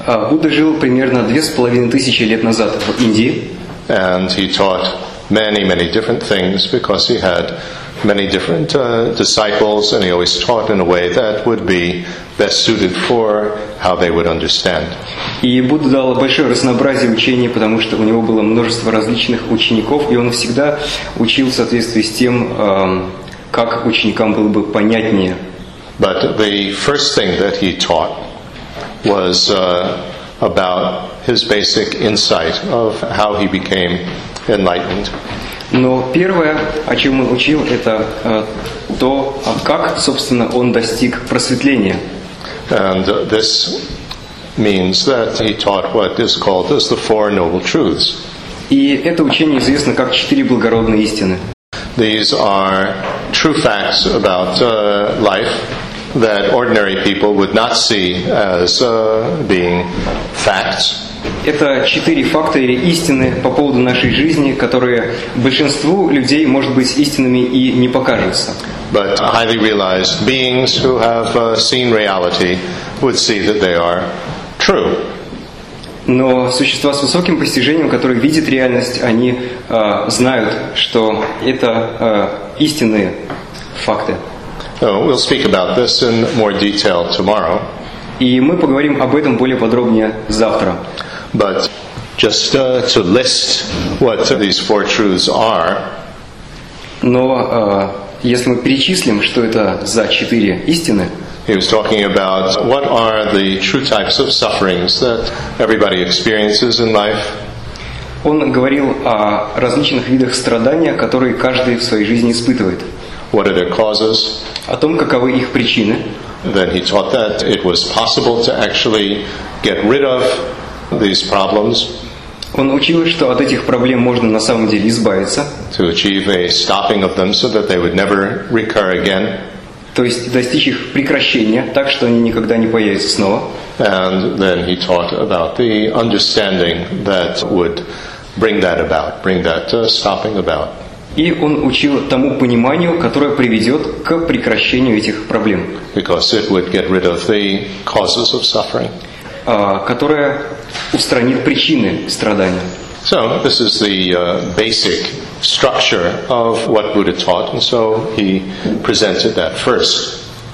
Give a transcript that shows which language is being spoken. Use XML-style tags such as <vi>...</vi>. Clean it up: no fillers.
<ru>Будда жил примерно 2,500 лет назад в Индии.</ru> <en>And he taught many, many different things because he had many different disciples, and he always taught in a way that would be best suited for how they would understand.</en> <ru>И Будда дал большое разнообразие учений, потому что у него было множество различных учеников, и он всегда учил в соответствии с тем, как ученикам было бы понятнее.</ru> <en>But the first thing that he taught was about his basic insight of how he became enlightened.</en> <ru>Но первое, о чем он учил, это то, как, собственно, он достиг просветления.</ru> <en>And this means that he taught what is called as the Four Noble Truths.</en> <ru>И это учение известно как четыре благородные истины.</ru> <en>These are true facts about life that ordinary people would not see as being facts.</en> <ru>Это четыре факта или истины по поводу нашей жизни, которые большинству людей, может быть, истинными и не покажутся.</ru> <en>But highly realized beings who have seen reality would see that they are true.</en> <ru>Но существа с высоким постижением, которые видят реальность, они знают, что это истинные факты.</ru> <en>We'll speak about this in more detail tomorrow.</en> <ru>И мы поговорим об этом более подробнее завтра.</ru> <en>But just to list what these four truths are.</en> <ru>Но если мы перечислим, что это за четыре истины.</ru> <en>He was talking about what are the true types of sufferings that everybody experiences in life.</en> <ru>Он говорил о различных видах страдания, которые каждый в своей жизни испытывает.</ru> <en>What are their causes?</en> <ru>О том, каковы их причины.</ru> <en>Then he taught that it was possible to actually get rid of these problems.</en> <ru>Он учил, что от этих проблем можно на самом деле избавиться.</ru> <en>To achieve a stopping of them so that they would never recur again.</en> <ru>То есть достичь их прекращения, так что они никогда не появятся снова.</ru> <en>And then he taught about the understanding that would bring that about, bring that stopping about.</en> <ru>И он учил тому пониманию, которое приведет к прекращению этих проблем.</ru> <en>Because it would get rid of the causes of suffering.</en> <ru>Которое устранит причины страдания.</ru> <en>So, this is the basic structure of what Buddha taught, and so he presented that first.</en>